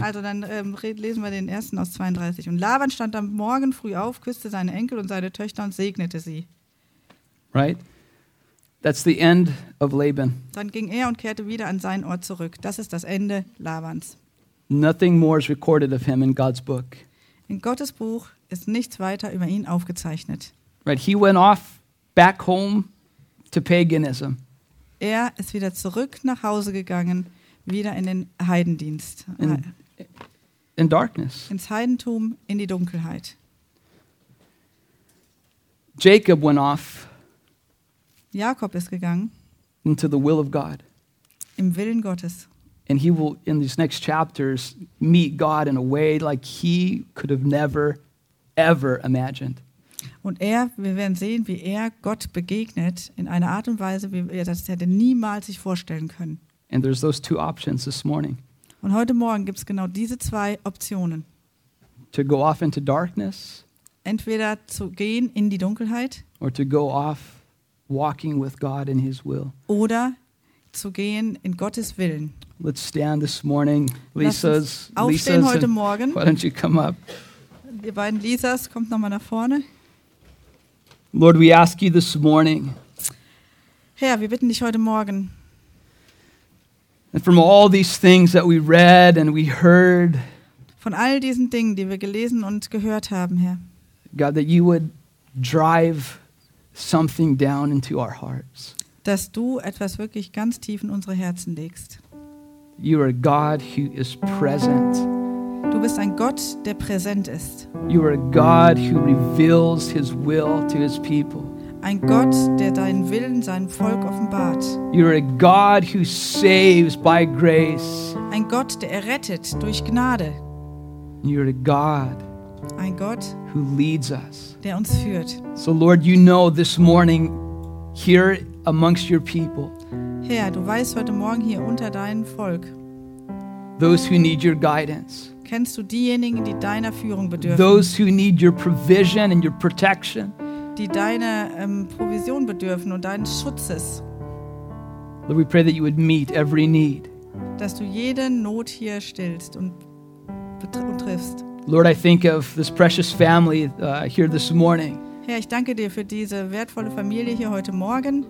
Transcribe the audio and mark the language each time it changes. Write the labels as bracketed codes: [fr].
[de] Also dann lesen wir den ersten aus 32. Und Laban stand am Morgen früh auf, küsste seine Enkel und seine Töchter und segnete sie. [en] Right? That's the end of Laban. [de] Dann ging er und kehrte wieder an seinen Ort zurück. Das ist das Ende Labans. [en] Nothing more is recorded of him in God's book. [de] In Gottes Buch ist nichts weiter über ihn aufgezeichnet. [en] Right, he went off back home to paganism. [de] Er ist wieder zurück nach Hause gegangen, wieder in den Heidendienst. [en] In darkness. [de] Ins Heidentum, in die Dunkelheit. [en] Jacob went off. [de] Jakob ist gegangen. [en] Into the will of God. [de] Im Willen Gottes. [en] And he will, in these next chapters, meet God in a way like he could have never, ever imagined. [de] Und er, wir werden sehen, wie er Gott begegnet in einer Art und Weise, wie er das hätte niemals sich vorstellen können. [en] And there's those two options this morning. [de] Und heute Morgen gibt es genau diese zwei Optionen. [en] To go off into darkness. [de] Entweder zu gehen in die Dunkelheit. [en] Or to go off walking with God in his will. [de] Oder zu gehen in Gottes Willen. [en] Let's stand this morning. [de] Lisa's, aufstehen Lisa's heute Morgen. [en] Why don't you come up? [de] Die beiden Lisas, kommt nochmal nach vorne. [en] Lord, we ask you this morning. [de] Herr, wir bitten dich heute Morgen. [en] And from all these things that we read and we heard. [de] Von all diesen Dingen, die wir gelesen und gehört haben, Herr. [en] God, that you would drive something down into our hearts. [de] Dass du etwas wirklich ganz tief in unsere Herzen legst. [en] You are a God who is present. [de] Du bist ein Gott, der präsent ist. [en] You are a God who reveals his will to his people. [de] Ein Gott, der deinen Willen seinem Volk offenbart. [en] You are a God who saves by grace. [de] Ein Gott, der errettet durch Gnade. [en] You are a God. [de] Ein Gott, [en] who leads us. [de] Der uns führt. [en] So Lord, you know this morning here amongst your people. [de] Herr, du weißt heute Morgen hier unter deinem Volk. [en] Those who need your guidance. [de] Kennst du diejenigen, die deiner Führung bedürfen? [en] Those who need your provision and your protection. [de] Die deiner Provision bedürfen und deines Schutzes. [en] Lord, we pray that you would meet every need. [de] Dass du jede Not hier stillst und triffst. [en] Lord, I think of this precious family here this morning. [de] Herr, ich danke dir für diese wertvolle Familie hier heute Morgen.